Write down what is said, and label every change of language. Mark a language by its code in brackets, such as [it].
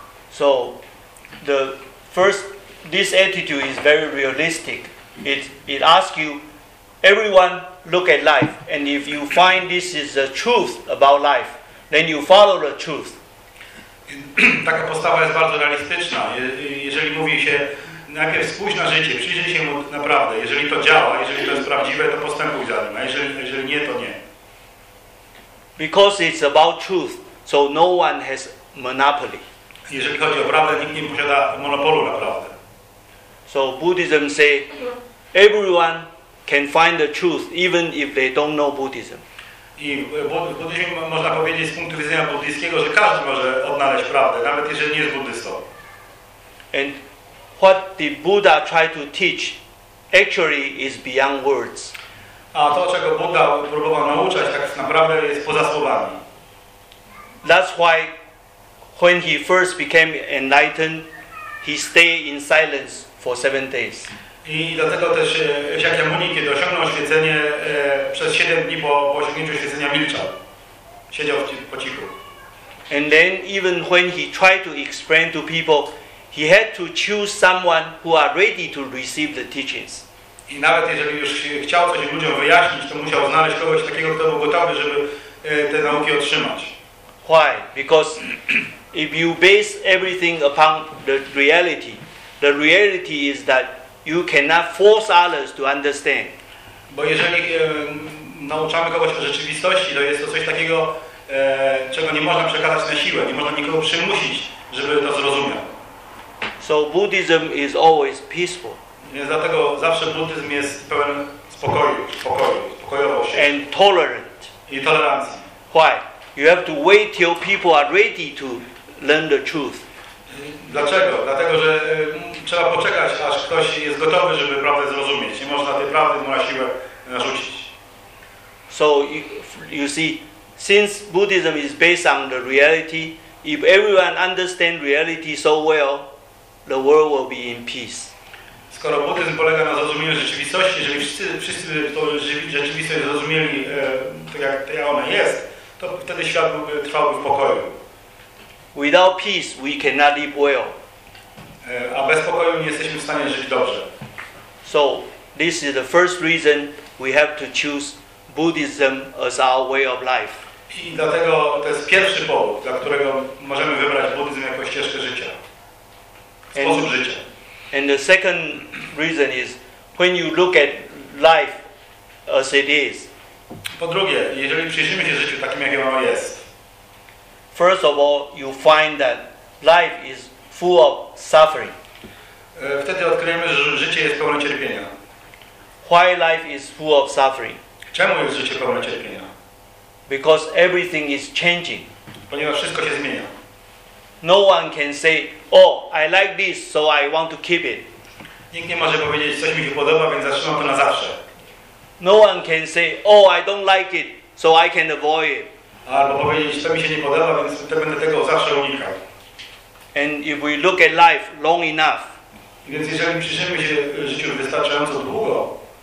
[en] So the first, this attitude is very realistic. It asks you, everyone look at life, and if you find this is the truth about life, then you follow the truth. [pl] Taka postawa jest bardzo realistyczna. Jeżeli mówi się, najpierw spójrz na życie, przyjrzyj się mu naprawdę. Jeżeli to działa, jeżeli to jest prawdziwe, to postępuj za nim. A jeżeli nie, to nie. [en] Because it's about truth, so no one has monopoly. [pl] Jeżeli chodzi o prawdę, nikt nie posiada monopolu na prawdę. [en] So Buddhism say everyone can find the truth even if they don't know Buddhism. [pl] I buddyzmie można powiedzieć z punktu widzenia buddyjskiego, że każdy może odnaleźć prawdę, nawet jeżeli nie jest buddystą. [en] And what the Buddha tried to teach actually is beyond words. [pl] A to, czego Buddha próbował nauczać, tak naprawdę jest poza słowami. [en] That's why when he first became enlightened, he stayed in silence for 7 days. [pl] I dlatego też Shakyamuni, kiedy osiągnął oświecenie, przez 7 dni po osiągnięciu oświecenia milczał. Siedział po cichu. [en] And then even when he tried to explain to people, he had to choose someone who are ready to receive the teachings. [pl] I nawet jeżeli już chciał coś ludziom wyjaśnić, to musiał znaleźć kogoś takiego, kto był gotowy, żeby te nauki otrzymać. [en] Why? Because if you base everything upon the reality is that you cannot force others to understand. [pl] Bo jeżeli nauczamy kogoś o rzeczywistości, to jest to coś takiego, czego nie można przekazać na siłę, nie można nikogo przymusić, żeby to zrozumiał. [en] So Buddhism is always peaceful. [pl] Dlatego zawsze buddyzm jest pełen spokoju, spokojowości. [en] And tolerant. [pl] I tolerancji. [en] Why? You have to wait till people are ready to learn the truth. [pl] Dlaczego? Dlatego, że trzeba poczekać, aż ktoś jest gotowy, żeby prawdę zrozumieć. Nie można tej prawdy mu na siłę narzucić. [en] So you see, since Buddhism is based on the reality, if everyone understands reality so well, the world will be in peace. [pl] Skoro buddyzm polega na zrozumieniu rzeczywistości, jeżeli wszyscy to rzeczywistość zrozumieli, tak jak ona jest, to wtedy świat trwałby w pokoju. [en] Without peace, we cannot live well. [pl] A bez pokoju nie jesteśmy w stanie żyć dobrze. [en] So, this is the first reason we have to choose Buddhism as our way of life. [pl] I dlatego to jest pierwszy powód, dla którego możemy wybrać buddyzm jako ścieżkę życia. Sposób życia. [en] And the second reason is when you look at life as it is. [pl] Po drugie, jeżeli przyjrzymy się życiu takim, jakim ono jest. [en] First of all, you find that life is full of suffering. [pl] Wtedy odkryjemy, że życie jest pełne cierpienia. [en] Why life is full of suffering? [pl] Czemu jest życie pełne cierpienia? [en] Because everything is changing. [pl] Ponieważ wszystko się zmienia. [en] No one can say, oh, I like this, so I want to keep it. [pl] Nikt nie może powiedzieć, coś mi się podoba, więc zatrzymam to na zawsze. [en] No one can say, oh, I don't like it, so I can avoid it. [pl] Albo powiedzieć, co mi się nie podoba, więc to będę tego zawsze unikał. [en] And if we look at life long enough, [pl] więc jeżeli przyjrzymy się życiu wystarczająco długo,